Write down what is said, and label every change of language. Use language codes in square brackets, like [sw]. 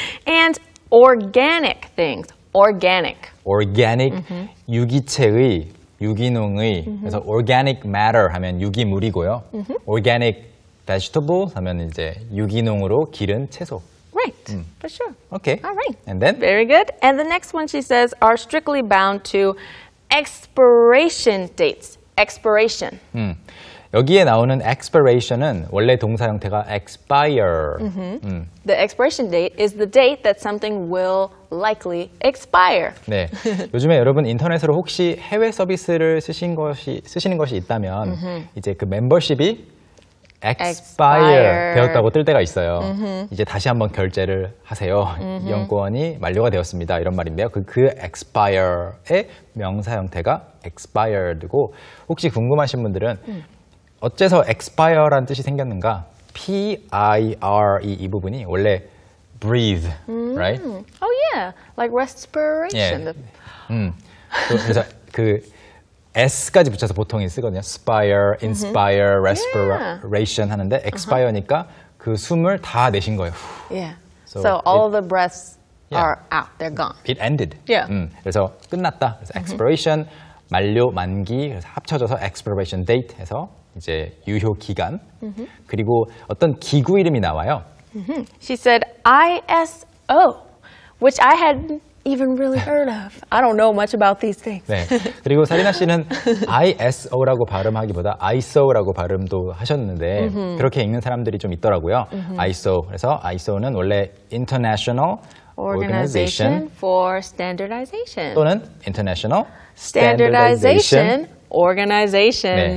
[en] And organic things. Organic. [ko] Organic, 유기체의, 유기농의. 그래서 organic matter 하면 유기물이고요. Organic vegetable 하면 이제 유기농으로 기른 채소. [en] Right, for sure. Okay. All right. And then? Very good. And the next one she says are strictly bound to expiration dates. Expiration. [ko] 여기에 나오는 expiration은 원래 동사 형태가 expire. [en] The expiration date is the date that something will likely expire. [ko] 네. 요즘에 여러분 인터넷으로 혹시 해외 서비스를 쓰시는 것이 있다면 이제 그 멤버십이 expire 되었다고 뜰 때가 있어요. 이제 다시 한번 결제를 하세요. 이용권이 만료가 되었습니다. 이런 말인데요. 그 expire의 명사 형태가 expired고 혹시 궁금하신 분들은 어째서 expire란 뜻이 생겼는가? P-I-R-E 이 부분이 원래 [en] breathe, right? Oh yeah, like respiration. Yeah. [ko] 그래서 그 S까지 붙여서 보통 쓰거든요. Spire, inspire, respiration 하는데 expire니까 그 숨을 다 내신 거예요. [en] Yeah. So all the breaths are out, they're gone. It ended. Yeah. [ko] 그래서 끝났다. 그래서 expiration, 만료, 만기 그래서 합쳐져서 expiration date 해서 이제 유효 기간. 그리고 어떤 기구 이름이 나와요. [en] She said ISO, which I hadn't even really heard of. I don't know much about these things. [ko] 네. 그리고 사리나 씨는 ISO라고 발음하기보다 ISO라고 발음도 하셨는데 그렇게 읽는 사람들이 좀 있더라고요. ISO. 그래서 ISO는 원래 International [en] Organization for Standardization [ko] 또는 International [en] Standardization Organization.